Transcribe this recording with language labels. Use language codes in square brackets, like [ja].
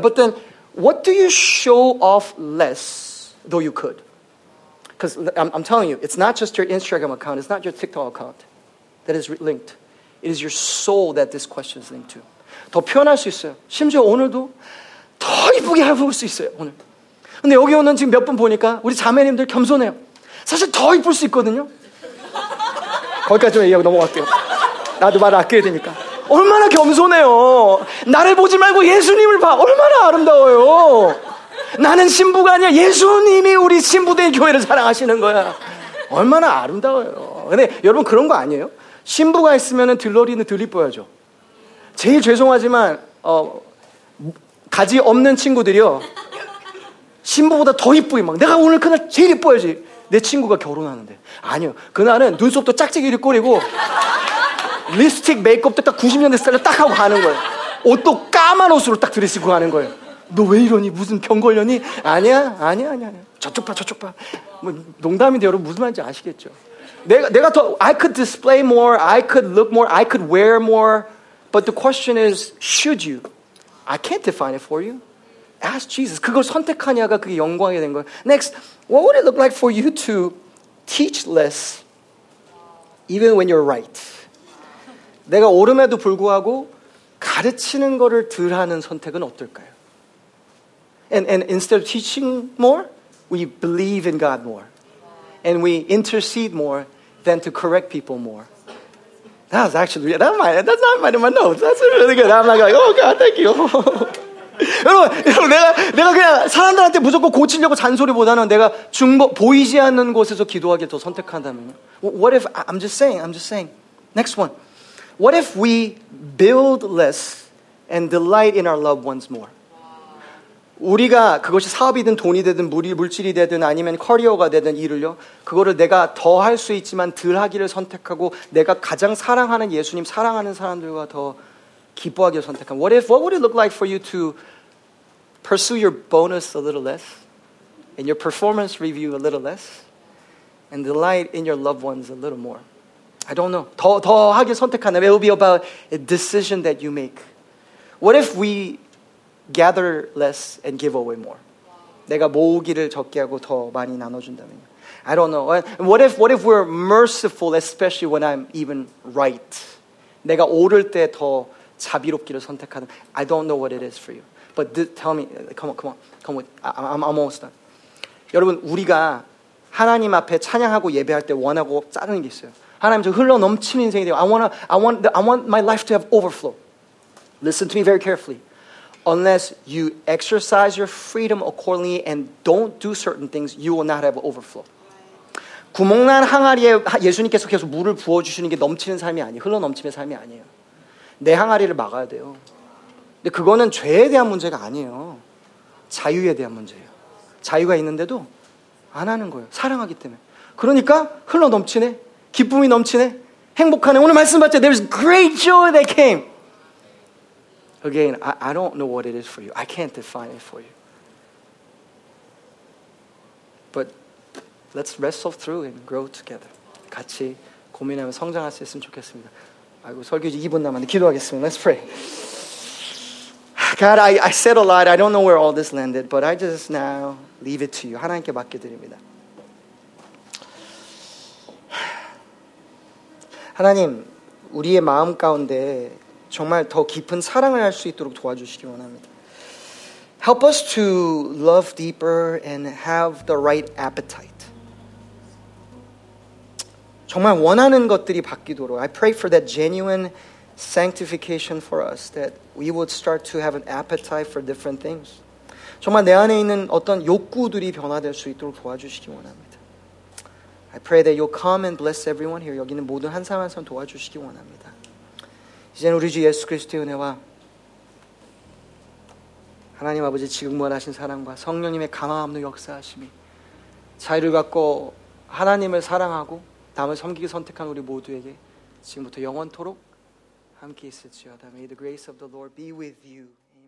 [en] But then, what do you show off less, though you could? Because I'm telling you, it's not just your Instagram account. It's not your TikTok account that is linked. It is your soul that this question is linked to. [ko] 더 표현할 수 있어요. 심지어 오늘도 더 이쁘게 해볼 수 있어요, 오늘. 근데 여기 오는 지금 몇 분 보니까 우리 자매님들 겸손해요. 사실 더 이쁠 수 있거든요. 거기까지만 얘기하고 넘어갈게요. 나도 말을 아껴야 되니까. 얼마나 겸손해요. 나를 보지 말고 예수님을 봐. 얼마나 아름다워요. 나는 신부가 아니야. 예수님이 우리 신부된 교회를 사랑하시는 거야. 얼마나 아름다워요. 근데 여러분 그런 거 아니에요? 신부가 있으면 들러리는 들리뻐야죠. 제일 죄송하지만 가지 없는 친구들이요. 신부보다 더 이쁘게 막 내가 오늘 그날 제일 이뻐야지. 내 친구가 결혼하는데. 아니요. 그날은 눈썹도 짝짝이를 꾸리고 립스틱 메이크업도 딱 90년대 스타일로 딱 하고 가는 거예요. 옷도 까만 옷으로 딱 드레스고 가는 거예요. 너 왜 이러니? 무슨 병 걸렸니? 아니야. 저쪽 봐. 뭐 농담인데 여러분 무슨 말인지 아시겠죠? 내가 더 [en] I could display more, I could look more, I could wear more. But the question is, should you? I can't define it for you. Ask Jesus. [ko] 그걸 선택하냐가 그게 영광이 된 거예요. [en] Next, what would it look like for you to teach less even when you're right? [ko] 내가 옳음에도 불구하고 가르치는 거를 덜 하는 선택은 어떨까요? [en] And instead of teaching more, we believe in God more. And we intercede more than to correct people more. That's not my notes. That's really good. I'm like, oh God, thank you. [ko] 여러분, 내가 그냥 사람들한테 무조건 고치려고 잔소리보다는 내가 보이지 않는 곳에서 기도하기 더 선택한다면요. [en] What if, I'm just saying. Next one. What if we build less and delight in our loved ones more? [ko] 우리가 그것이 사업이든 돈이 되든 물질이 되든 아니면 커리어가 되든 일을요. 그거를 내가 더 할 수 있지만 덜 하기를 선택하고 내가 가장 사랑하는 예수님 사랑하는 사람들과 더 기뻐하기를 선택한. [en] What would it look like for you to pursue your bonus a little less and your performance review a little less and delight in your loved ones a little more? I don't know. [ko] 더 하기를 선택하는. [en] It will be about a decision that you make. What if we gather less and give away more. Wow. [ko] 내가 모으기를 적게 하고 더 많이 나눠준다면. [en] I don't know. What if we're merciful, especially when I'm even right? [ko] 내가 옳을 때 더 자비롭기를 선택하는. [en] I don't know what it is for you. But tell me, come on. I'm almost done. [ko] 여러분, 우리가 하나님 앞에 찬양하고 예배할 때 원하고 짜르는 게 있어요. 하나님 저 흘러 넘치는 인생이 돼요. [en] I want my life to have overflow. Listen to me very carefully. unless you exercise your freedom accordingly and don't do certain things, you will not have overflow. [ko] 구멍난 항아리에 예수님께서 계속 물을 부어주시는 게 넘치는 삶이 아니에요. 흘러넘치는 삶이 아니에요. 내 항아리를 막아야 돼요. 근데 그거는 죄에 대한 문제가 아니에요. 자유에 대한 문제예요. 자유가 있는데도 안 하는 거예요. 사랑하기 때문에. 그러니까 흘러넘치네. 기쁨이 넘치네. 행복하네. 오늘 말씀 봤죠? [en] There's great joy that came. Again, I don't know what it is for you. I can't define it for you. But let's wrestle through and grow together. [ko] 같이 고민하며 성장할 수 있으면 좋겠습니다. 아이고, 설교 이제 2분 남았는데 기도하겠습니다. [en] Let's pray. God, I said a lot. I don't know where all this landed, but I just now leave it to you. [ko] 하나님께 맡겨드립니다. 하나님, 우리의 마음 가운데 정말 더 깊은 사랑을 할 수 있도록 도와주시기 원합니다. [en] Help us to love deeper and have the right appetite. [ko] 정말 원하는 것들이 바뀌도록 [en] I pray for that genuine sanctification for us that we would start to have an appetite for different things. [ko] 정말 내 안에 있는 어떤 욕구들이 변화될 수 있도록 도와주시기 원합니다. [en] I pray that you'll come and bless everyone here. [ko] 여기 있는 모든 한 사람 한 사람 도와주시기 원합니다. 이제 우리 주 예수 그리스도의 은혜와 하나님 아버지 지금 원하신 사랑과 성령님의 감화함으로 역사하심이 자유를 갖고 하나님을 사랑하고 남을 섬기기 선택한 우리 모두에게 지금부터 영원토록 함께 있을지어다. [en] May the grace of the Lord be with you.